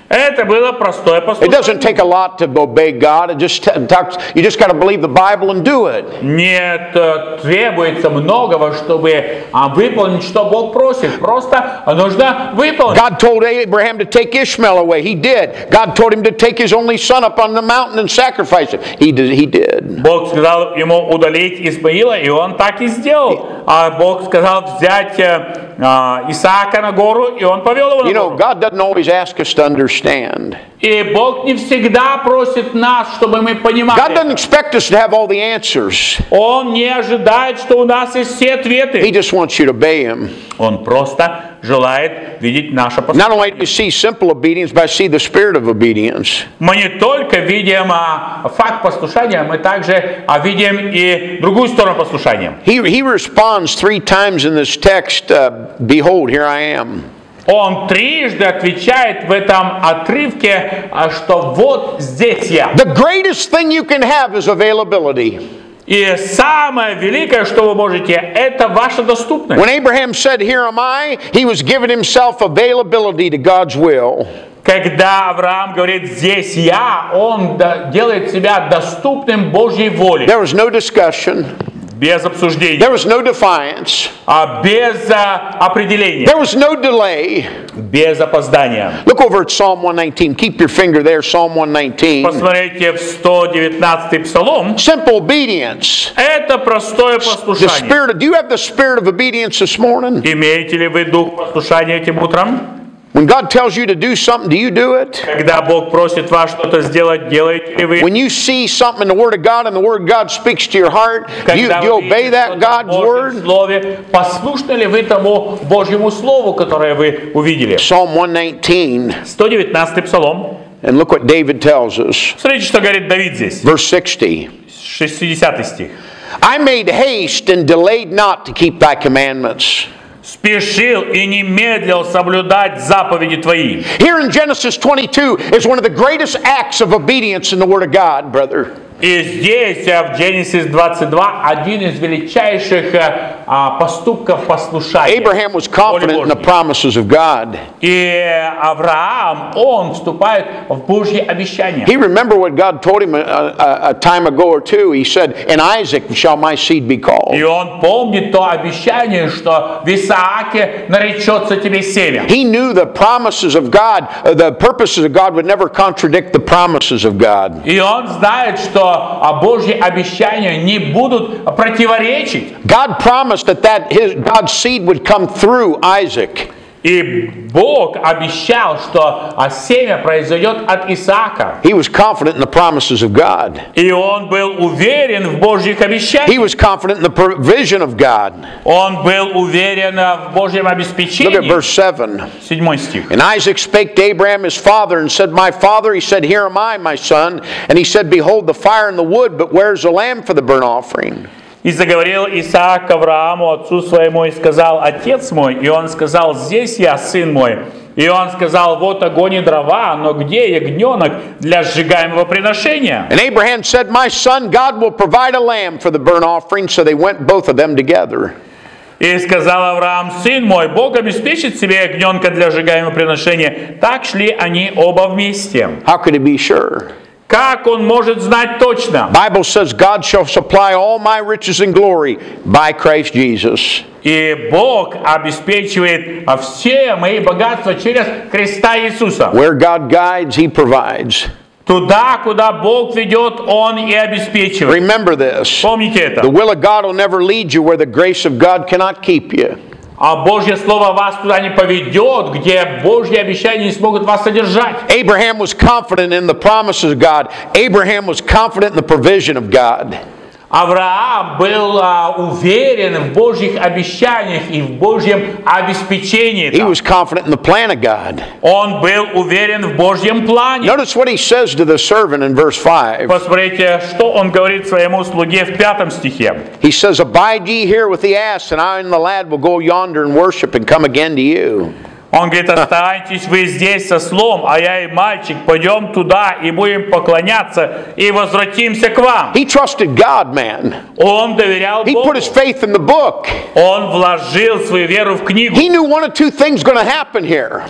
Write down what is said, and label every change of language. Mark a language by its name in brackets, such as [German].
[Russian] Это было простое послушание. [English] It doesn't take a lot to obey God. It just talks, you just got to believe the Bible and do it. [Russian] Нет, требуется многого, чтобы выполнить, что Бог просит. Просто нужно выполнить. [English] God told Abraham to take Ishmael away. He did. God told him to take his only son up on the mountain and sacrifice him. He did. [Russian] Бог сказал ему удалить Исмаила, и он так и сделал. А Бог сказал взять Исаака на гору, и он повел его на гору. [English] You know, God doesn't always ask us to understand. [Russian] И Бог не всегда просит нас, чтобы мы понимали. [English] God doesn't expect us to have all the answers. [Russian] Он не ожидает, что у нас есть все ответы. [English] He just wants you to obey him. [Russian] Он просто желает видеть наше послушание. [English] Not only do you see simple obedience, but I see the spirit of obedience. [Russian] Мы не только видим факт послушания, мы также видим и другую сторону послушания. [English] He responds three times in this text, behold, here I am. [Russian] Он трижды отвечает в этом отрывке, что вот здесь я. [English] The greatest thing you can have is availability. [Russian] И самое великое, что вы можете, это ваша доступность. [English] When Abraham said, "Here am I," he was giving himself availability to God's will. [Russian] Когда Авраам говорит «здесь я», он делает себя доступным Божьей воле. [English] There was no discussion. [Russian] Без обсуждений. [English] There was no defiance. [Russian] Без определения. [English] There was no delay. [Russian] Без опоздания. [English] Look over at Psalm 119. Keep your finger there, Psalm 119. [Russian] Посмотрите в 119-й псалом. [English] Simple obedience. [Russian] Это простое послушание. [English] The spirit of, do you have the spirit of obedience this morning? [Russian] Имеете ли вы дух послушания этим утром? [English] When God tells you to do something, do you do it? [Russian] Когда Бог просит вас что-то сделать, делаете ли вы? [English] When you see something in the Word of God and the Word of God speaks to your heart, do you obey that God's word? [Russian] Послушны ли вы тому Божьему слову, которое вы увидели? [English] Psalm 119. [Russian] 119 псалом. [English] And look what David tells us. [Russian] Смотрите, что говорит Давид здесь. [English] Verse 60. [Russian] 60 стих. [English] I made haste and delayed not to keep thy commandments. [Russian] Спешил и не медлил соблюдать заповеди твои. [English] Here in Genesis 22 is one of the greatest acts of obedience in the Word of God, brother. [Russian] И здесь в Genesis 22 один из величайших поступков послушания. [English] Abraham was confident in the promises of God. [Russian] И Авраам, он вступает в Божьи обещания. [English] He remembered what God told him a time ago or two. He said, "In Isaac shall my seed be called." [Russian] И он помнит то обещание, что в Исааке наречется тебе семя. [English] He knew the promises of God, the purposes of God would never contradict the promises of God. [Russian] И он знает, что Божьи обещания не будут противоречить. [English] God promised that his God's seed would come through Isaac. [Russian] И Бог обещал, что семя произойдет от Исаака. [English] He was confident in the promises of God. [Russian] И он был уверен в Божьих обещаниях. [English] He was confident in the provision of God. [Russian] Он был уверен в Божьем обеспечении. [English] Look at verse 7. [Russian] 7 стих. [English] And Isaac spake to Abraham his father and said, My father, he said, Here am I, my son. And he said, Behold, the fire and the wood, but where is the lamb for the burnt offering? [Russian] И заговорил Исаак Аврааму, отцу своему, и сказал, «Отец мой!» И он сказал, «Здесь я, сын мой!» И он сказал, «Вот огонь и дрова, но где ягненок для сжигаемого приношения?» [English] And Abraham said, «My son, God will provide a lamb for the burnt offering». So they went both of them together. [Russian] И сказал Авраам, «Сын мой, Бог обеспечит себе ягненка для сжигаемого приношения». Так шли они оба вместе. [English] How could he be sure? [Russian] Как он может знать точно? [English] Bible says God shall supply all my riches and glory by Christ Jesus. [Russian] И Бог обеспечивает все мои богатства через Христа Иисуса. [English] Where God guides, He provides. [Russian] Туда, куда Бог ведет, Он и обеспечивает. [English] Remember this. [Russian] Помните это. [English] The will of God will never lead you where the grace of God cannot keep you. [Russian] А Божье слово вас туда не поведет, где Божьи обещания не смогут вас содержать. [English] Abraham was confident in the promises of God. Abraham was confident in the provision of God. [Russian] Авраам был уверен в Божьих обещаниях и в Божьем обеспечении. [English] He was confident in the plan of God. [Russian] Он был уверен в Божьем плане. [English] Notice what he says to the servant in verse 5. [Russian] Посмотрите, что он говорит своему слуге в 5 стихе. [English] He says, "Abide ye here with the ass, and I and the lad will go yonder and worship and come again to you." [Russian] Он говорит, «Останьтесь вы здесь со слом, а я и мальчик, пойдем туда и будем поклоняться и возвратимся к вам». [English] He trusted God, man. [Russian] Он доверял [English] He [Russian] Богу. [English] Put his faith in the book. [Russian] Он вложил свою веру в книгу. [English] He knew one of two things going to happen here.